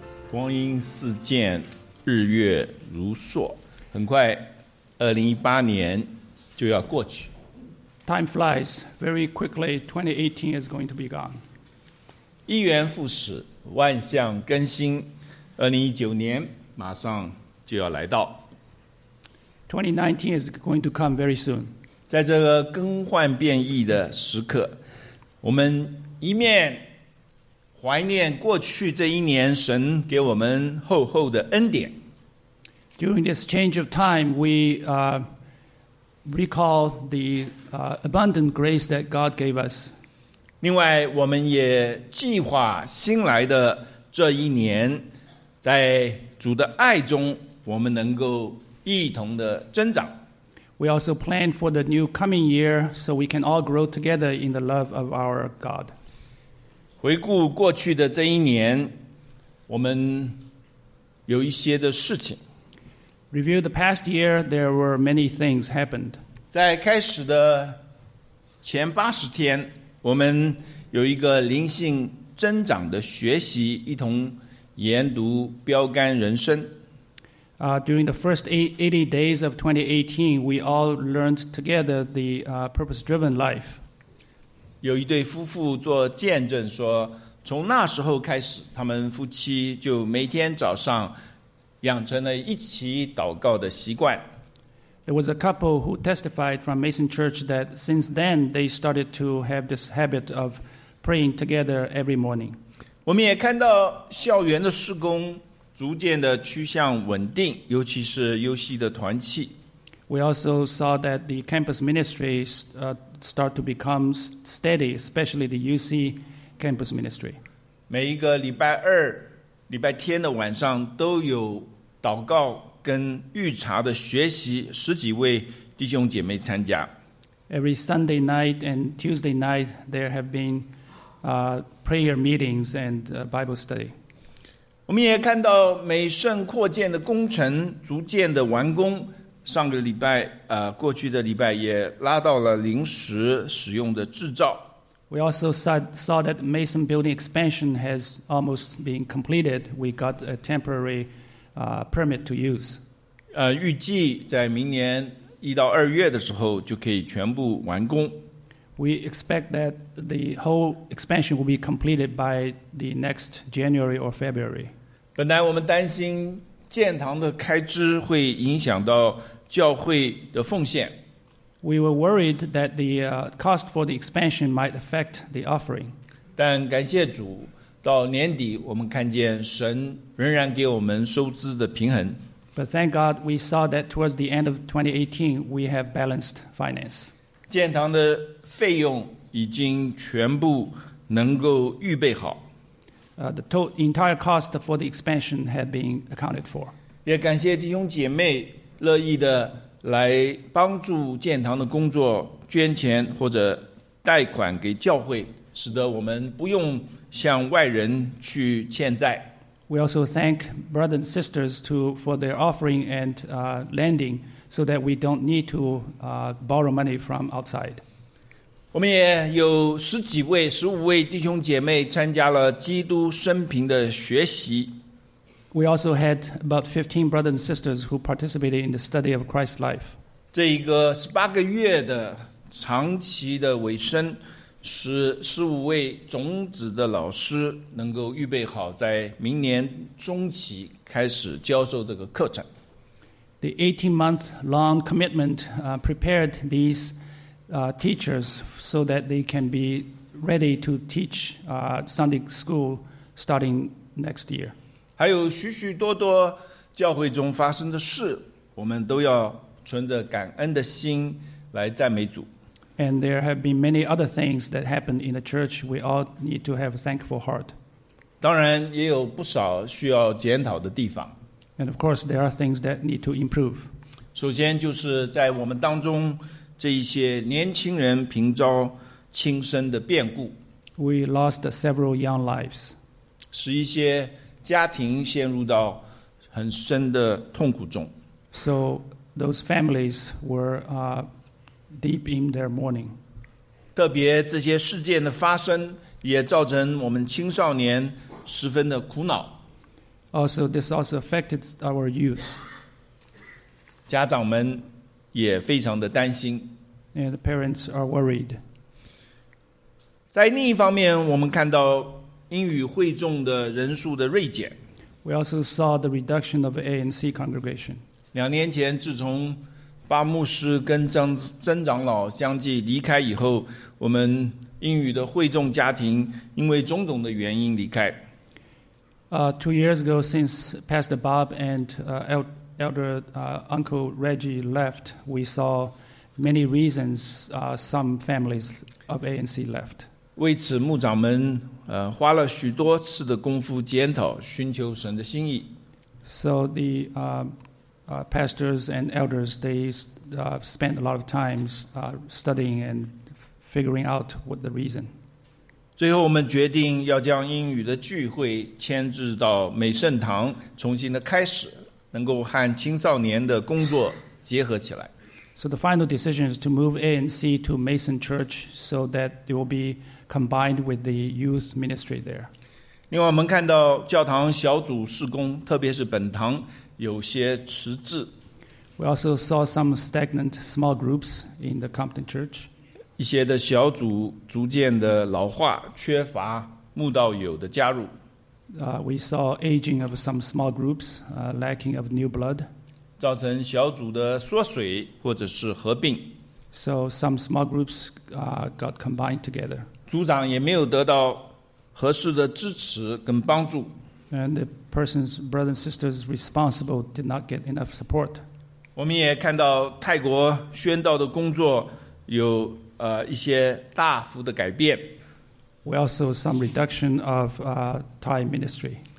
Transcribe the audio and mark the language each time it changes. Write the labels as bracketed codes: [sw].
[zh] 光阴似箭，日月如梭，很快2018年就要过去。 [en] Time flies very quickly. 2018 is going to be gone. [zh] 一元复始，万象更新。2019年马上就要来到。 [en] 2019 is going to come very soon. [zh] 在这个更换变异的时刻，我们一面怀念过去这一年神给我们厚厚的恩典。 [en] During this change of time, we recall the abundant grace that God gave us. [zh] 另外，我们也计划新来的这一年，在主的爱中，我们能够一同的增长。 [en] We also plan for the new coming year so we can all grow together in the love of our God. [zh] 回顾过去的这一年，我们有一些的事情。 [en] Review the past year, there were many things happened. [zh] 在开始的前80天，我们有一个灵性增长的学习，一同研读标杆人生。 [en] During the first 80 days of 2018, we all learned together the purpose-driven life. [zh] 有一对夫妇做见证说，从那时候开始，他们夫妻就每天早上养成了一起祷告的习惯。 [en] There was a couple who testified from Mason Church that since then they started to have this habit of praying together every morning. [zh] 我们也看到校园的事工逐渐的趋向稳定，尤其是优西的团契。 [en] We also saw that the campus ministries start to become steady, especially the UC campus ministry. [zh] 每一个礼拜二、礼拜天的晚上都有祷告跟预查的学习，十几位弟兄姐妹参加。 [en] Every Sunday night and Tuesday night, there have been prayer meetings and Bible study. [zh] 我们也看到美圣扩建的工程逐渐的完工，上个礼拜过去的礼拜也拉到了临时使用的制造。 [en] We also saw that Mason building expansion has almost been completed. We got a temporary permit to use. [zh] 预计在明年一到二月的时候就可以全部完工。 [en] We expect that the whole expansion will be completed by the next January or February. [zh] 本来我们担心建堂的开支会影响到教会的奉献。 [en] We were worried that the cost for the expansion might affect the offering. [zh] 但感谢主，到年底我们看见神仍然给我们收支的平衡。 [en] But thank God, we saw that towards the end of 2018, we have balanced finance. [zh] 建堂的费用已经全部能够预备好。 [en] The entire cost for the expansion had been accounted for. [zh] 也感谢弟兄姐妹乐意的来帮助建堂的工作，捐钱或者贷款给教会，使得我们不用向外人去欠债。 [en] We also thank brothers and sisters for their offering and lending so that we don't need to borrow money from outside. [zh] 我们也有十几位、十五位弟兄姐妹参加了基督生平的学习。 [en] We also had about 15 brothers and sisters who participated in the study of Christ's life. [zh] 这一个18个月的长期的尾声，使15位种子的老师能够预备好在明年中期开始教授这个课程。 [en] The 18-month long commitment prepared these teachers so that they can be ready to teach Sunday school starting next year. [zh] 还有许许多多教会中发生的事，我们都要存着感恩的心来赞美主。 [en] And there have been many other things that happened in the church. We all need to have a thankful heart. [zh] 当然也有不少需要检讨的地方。 [en] And of course, there are things that need to improve. [zh] 首先就是在我们当中这一些年轻人频遭轻生的变故。 [en] We lost several young lives. [zh] 使一些家庭陷入到很深的痛苦中。 [en] So those families were deep in their mourning. [zh] 特别这些事件的发生也造成我们青少年十分的苦恼。 [en] Also, this also affected our youth. [zh] 家长们也非常的担心。 [en] And the parents are worried. [zh] 在另一方面，我们看到英语会众的人数的锐减。 [en] We also saw the reduction of ANC congregation. [zh] 两年前，自从巴牧师跟曾长老相继离开以后，我们英语的会众家庭因为种种的原因离开。 [en] 2 years ago, since Pastor Bob and Elder Uncle Reggie left, we saw many reasons some families of ANC left. [zh] 为此，牧长们花了许多次的功夫检讨，寻求神的心意。 [en] So the pastors and elders they spent a lot of times studying and figuring out what the reason. [zh] 最后，我们决定要将英语的聚会迁至到美圣堂，重新的开始，能够和青少年的工作结合起来。 [en] So the final decision is to move ANC to Mason Church so that it will be combined with the youth ministry there. [zh] 另外，我们看到教堂小组事工，特别是本堂有些迟滞。 [en] We also saw some stagnant small groups in the Compton Church. [zh] 一些的小组逐渐的老化，缺乏慕道友的加入。 [en] We saw aging of some small groups, lacking of new blood. [zh] 造成小组的缩水或者是合并。 [en] So some small groups got combined together. [zh] 组长也没有得到合适的支持跟帮助。 [en] And the person's brothers and sisters responsible did not get enough support. [zh] 我们也看到泰国宣道的工作有一些大幅的改变。 [en] We also saw some reduction of Thai ministry.